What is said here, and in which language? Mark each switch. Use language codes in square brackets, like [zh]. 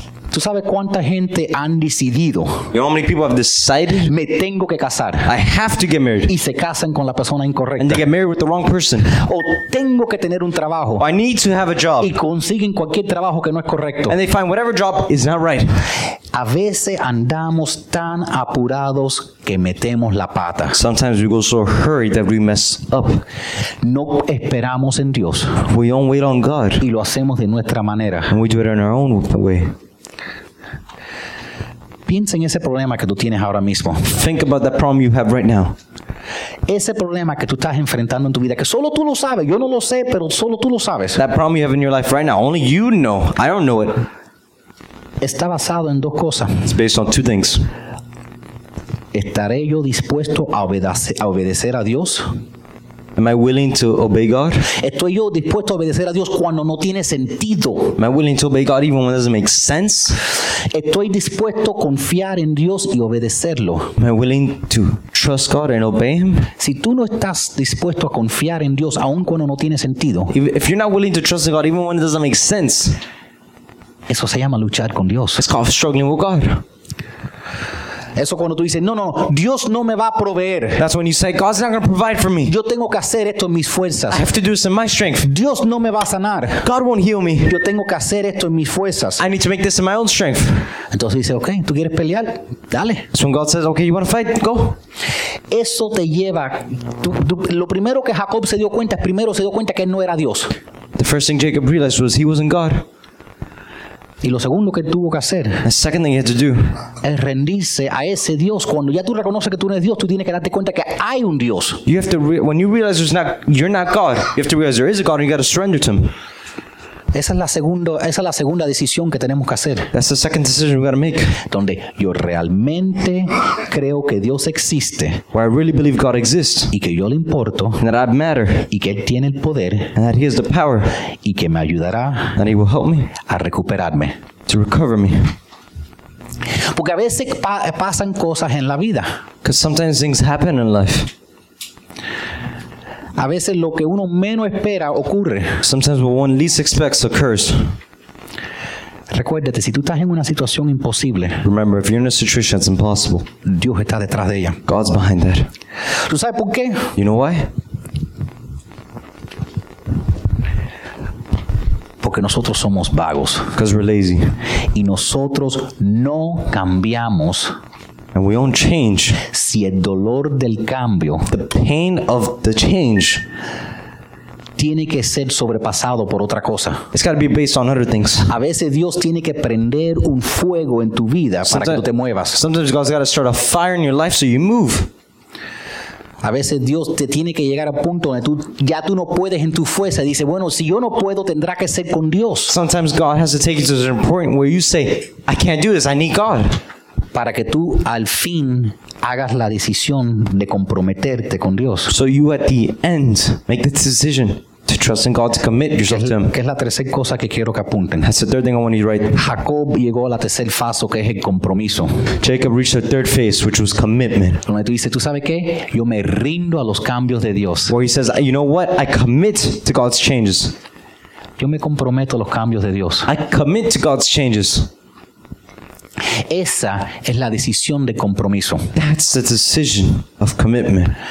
[es] ¿Tú sabes cuánta gente han decidido? [en] You know how many people have decided? [es] Me tengo que casar. [en] I have to get married. [es] Y se casan con la persona incorrecta. [en] And they get married with the wrong person. [es] O tengo que tener un trabajo. [en] Or I need to have a job. [es] Y consiguen cualquier trabajo que no es correcto. [en] And they find whatever job is not right. [es] A veces andamos tan apurados que metemos la pata. [en] Sometimes we go so hurried that we mess up. [es] No esperamos en Dios. [en] We don't wait on God. [es] Y lo hacemos de nuestra manera. [en] And we do it in our own way. [es] Piensa en ese problema que tú tienes ahora mismo. [en] Think about that problem you have right now. [es] Ese problema que tú estás enfrentando en tu vida, que solo tú lo sabes. Yo no lo sé, pero solo tú lo sabes. [en] That problem you have in your life right now, only you know. I don't know it. [es] Está basado en dos cosas. [en] It's based on two things. [es] ¿Estaré yo dispuesto a obedecer a Dios? [en] Am I willing to obey God? [es] ¿Estoy yo dispuesto a obedecer a Dios cuando no tiene sentido? [en] Am I willing to obey God even when it doesn't make sense? [es] ¿Estoy dispuesto a confiar en Dios y obedecerlo? [en] Am I willing to trust God and obey Him? [es] Si tú no estás dispuesto a confiar en Dios aun cuando no tiene sentido. [en] If you're not willing to trust God even when it doesn't make sense. [es] Eso se llama luchar con Dios. [en] It's called struggling with God. [es] Eso cuando tú dices, no, Dios no me va a proveer. [en] That's when you say, God's not going to provide for me. [es] Yo tengo que hacer esto en mis fuerzas. [en] I have to do this in my strength. [es] Dios no me va a sanar. [en] God won't heal me. [es] Yo tengo que hacer esto en mis fuerzas. [en] I need to make this in my own strength. [es] Entonces dice, okay, ¿tú quieres pelear? Dale. [en] So when God says, okay, you want to fight? Go. [es] Eso te lleva, lo primero que Jacob se dio cuenta, primero se dio cuenta que él no era Dios. [en] The first thing Jacob realized was he wasn't God. [es] Y lo segundo que tuvo que hacer, [en] the second thing he had to do, [es] es rendirse a ese Dios. Cuando ya tú reconoces que tú no eres Dios, tú tienes que darte cuenta que hay un Dios. [en] You have to when you realize you're not God, you have to realize there is a God and you got to surrender to Him. [es] Esa es la segunda decisión que tenemos que hacer. [en] That's the second decision we got to make. [es] Donde yo realmente creo que Dios existe. [en] Where I really believe God exists. [es] Y que yo le importo. [en] And that I matter. [es] Y que Él tiene el poder. [en] And that He has the power. [es] Y que me ayudará. [en] And He will help me. [es] A recuperarme. [en] To recover me. [es] Porque a veces pasan cosas en la vida. [en] Because sometimes things happen in life. [es] A veces lo que uno menos espera ocurre. [en] Sometimes what one least expects occurs. [es] Recuérdate, si tú estás en una situación imposible, [en] remember, if you're in a situation that's impossible, [es] Dios está detrás de ella. [en] God's behind that. [es] ¿Tú sabes por qué? [en] You know why? [es] Porque nosotros somos vagos. [en] Because we're lazy. [es] Y nosotros no cambiamos. [en] And we don't change. [es] Si el dolor del cambio, [en] the pain of the change, [es] tiene que ser sobrepasado por otra cosa. [en] It's got to be based on other things. [es] A veces Dios tiene que prender un fuego en tu vida para que tú te muevas. [en] Sometimes God's got to start a fire in your life so you move. [es] A veces Dios te tiene que llegar a un punto donde tú ya tú no puedes en tu fuerza. Dice, bueno, si yo no puedo, tendrá que ser con Dios. [en] Sometimes God has to take you to a point where you say, I can't do this. I need God. [es] Para que tú al fin hagas la decisión de comprometerte con Dios. [en] So you at the end make the decision to trust in God, to commit yourself to Him. [es] Que es la tercera cosa que quiero que apunten. [en] That's the third thing I want you to write. [es] Jacob llegó a la tercera fase, que es el compromiso. [en] Jacob reached the third phase, which was commitment. [es] Donde tú dices, ¿tú sabes qué? Yo me rindo a los cambios de Dios. [en] Where he says, you know what? I commit to God's changes. [es] Yo me comprometo a los cambios de Dios. [en] I commit to God's changes. [es] Esa es la decisión de compromiso. [en] That's the decision of commitment.